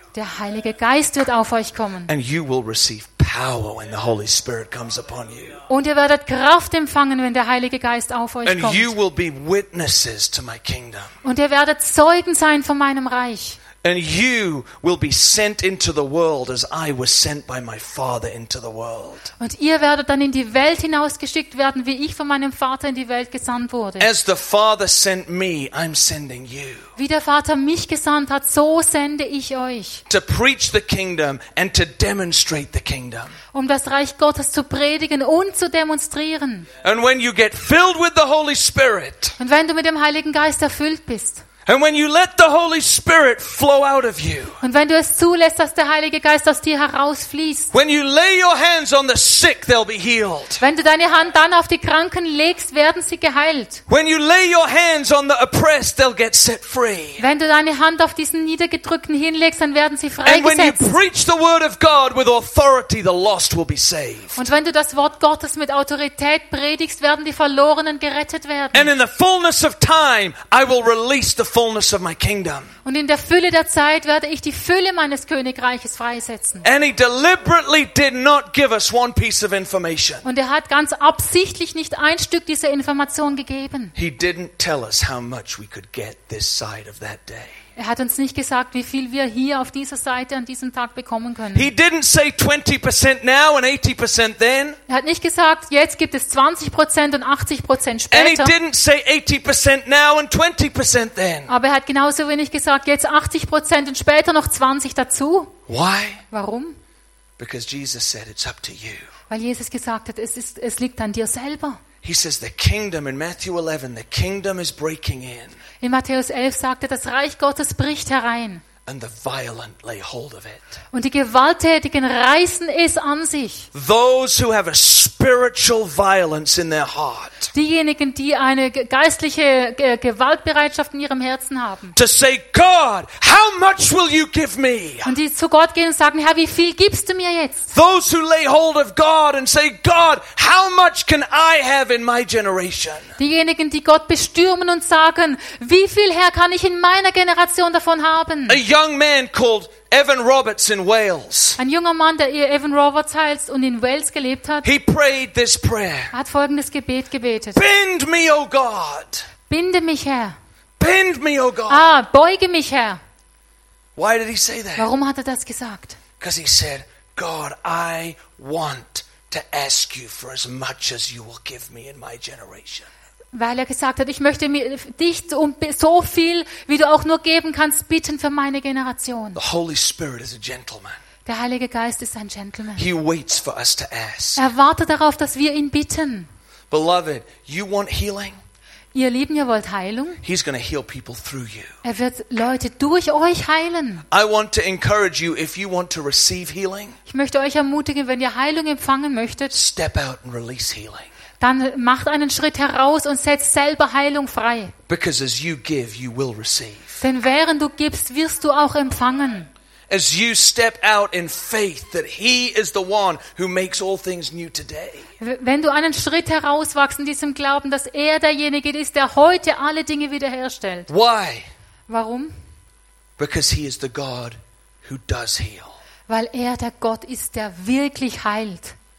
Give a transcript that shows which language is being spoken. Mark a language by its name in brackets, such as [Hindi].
[German] Der Heilige Geist wird auf euch kommen. [English] And you will receive power when the Holy Spirit comes upon you. [German] Und werdet Kraft empfangen, wenn der Heilige Geist auf euch [English] and [German] kommt. [English] And you will be witnesses to my kingdom. [German] Und werdet Zeugen sein von meinem Reich. [English] And you will be sent into the world as I was sent by my Father into the world. [German] Und werdet dann in die Welt hinausgeschickt werden, wie ich von meinem Vater in die Welt gesandt wurde. [English] As the Father sent me, I'm sending you. [German] Wie Vater mich gesandt hat, so sende ich euch. [English] To preach the kingdom and to demonstrate the kingdom. [German] Das Reich Gottes zu predigen und zu demonstrieren. [English] And when you get filled with the Holy Spirit. [German] Und wenn du mit dem Heiligen Geist erfüllt bist. [English] And when you let the Holy Spirit flow out of you. [German] Und wenn du es zulässt, dass der Heilige Geist aus dir herausfließt. [English] When you lay your hands on the sick, they'll be healed. [German] Wenn du deine Hand dann auf die Kranken legst, werden sie geheilt. [English] When you lay your hands on the oppressed, they'll get set free. [German] Wenn du deine Hand auf diesen Niedergedrückten hinlegst, dann werden sie freigesetzt. [English] And when you preach the word of God with authority, the lost will be saved. [German] Und wenn du das Wort Gottes mit Autorität predigst, werden die Verlorenen gerettet werden. [English] And in the fullness of time, I will release the fullness of my kingdom. [German] Und in der Fülle der Zeit werde ich die Fülle meines Königreiches freisetzen. [English] And he deliberately did not give us one piece of information. [German] Und hat ganz absichtlich nicht ein Stück dieser Information gegeben. [English] He didn't tell us how much we could get this side of that day. [German] Hat uns nicht gesagt, wie viel wir hier auf dieser Seite an diesem Tag bekommen können. [English] He didn't say 20% now and 80% then. [German] Hat nicht gesagt, jetzt gibt es 20% und 80% später. [English] And he didn't say 80% now and 20% then. [German] Aber hat genauso wenig gesagt, jetzt 80% und später noch 20 dazu. [English] Why? [German] Warum? [English] Because Jesus said it's up to you. [German] Weil Jesus gesagt hat, es liegt an dir selber. [English] He says the kingdom in Matthew 11, the kingdom is breaking in. [German] In Matthäus 11 sagte, das Reich Gottes bricht herein. [English] And the violent lay hold of it. [German] Und die Gewalttätigen reißen es an sich. [English] Those who have a spiritual violence in their heart. [German] Diejenigen, die eine geistliche Gewaltbereitschaft in ihrem Herzen haben. [English] To say, God, how much will you give me? [German] Und die zu Gott gehen und sagen, Herr, wie viel gibst du mir jetzt? [English] Those who lay hold of God and say, God, how much can I have in my generation? [German] Diejenigen, die Gott bestürmen und sagen, wie viel, Herr, kann ich in meiner Generation davon haben? [English] A young man called Evan Roberts in Wales. [German] Ein junger Mann, der Evan Roberts heißt und in Wales gelebt hat. [English] He prayed this prayer. [German] Hat folgendes Gebet gebetet. [English] Bind me, O God. [German] Binde mich, Herr. [English] Bind me, O God. [German] Ah, beuge mich, Herr. [English] Why did he say that? [German] Warum hat das gesagt? [English] Because he said, God, I want to ask you for as much as you will give me in my generation. [German] Weil gesagt hat, ich möchte dich um so viel, wie du auch nur geben kannst, bitten für meine Generation. [English] The Holy Spirit is a gentleman. [German] Der Heilige Geist ist ein Gentleman. [English] He waits for us to ask. [German] Er wartet darauf, dass wir ihn bitten. [English] Beloved, you want healing? [German] Ihr Lieben, ihr wollt Heilung? [English] He's going to heal people through you. [German] Er wird Leute durch euch heilen. [English] I want to encourage you, if you want to receive healing. [German] Ich möchte euch ermutigen, wenn ihr Heilung empfangen möchtet. [English] Step out and release healing. [German] Dann macht einen Schritt heraus und setzt selber Heilung frei. [English] Because as you give, you will receive. [German] Denn während du gibst, wirst du auch empfangen. [English] As you step out in faith that he is the one who makes all things new today. [German] Wenn du einen Schritt herauswachst in diesem Glauben, dass er derjenige ist, der heute alle Dinge wiederherstellt. [English] Why? [German] Warum? [English] Because he is the God who does heal. [German] Weil er der Gott ist, der wirklich heilt.